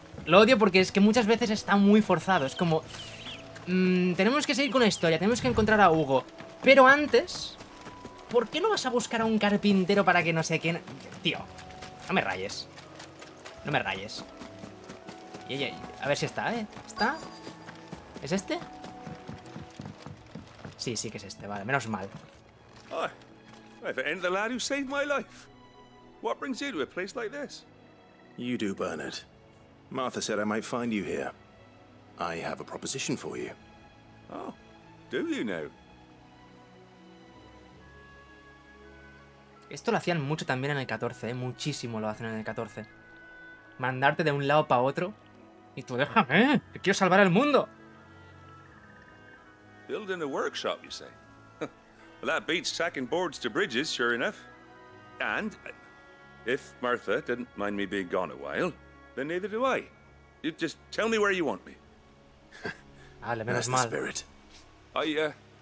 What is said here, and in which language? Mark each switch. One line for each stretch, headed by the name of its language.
Spanish: Lo odio porque es que muchas veces está muy forzado. Es como, tenemos que seguir con la historia, tenemos que encontrar a Hugo, pero antes, ¿por qué no vas a buscar a un carpintero para que no sé quién? Tío, no me rayes. No me rayes. A ver si está, ¿eh? ¿Está? ¿Es este? Sí, sí que es este, vale, menos mal.
English: Oh, if it ain't the lad who saved my life. What brings you to a place like this? You do, Bernard. Martha said I might find you here. I have a proposition for you. Oh, do you know?
Spanish: Esto lo hacían mucho también en el 14, ¿eh? Muchísimo lo hacen en el 14. Mandarte de un lado para otro. Y tú déjame, que quiero salvar el mundo.
English: Building a workshop, you say. Well, that beats tacking boards to bridges, sure enough. And if Martha didn't mind me being gone a while, then neither do I. You just tell me where you want me.
Spanish: Ale, menos mal.
English: The spirit.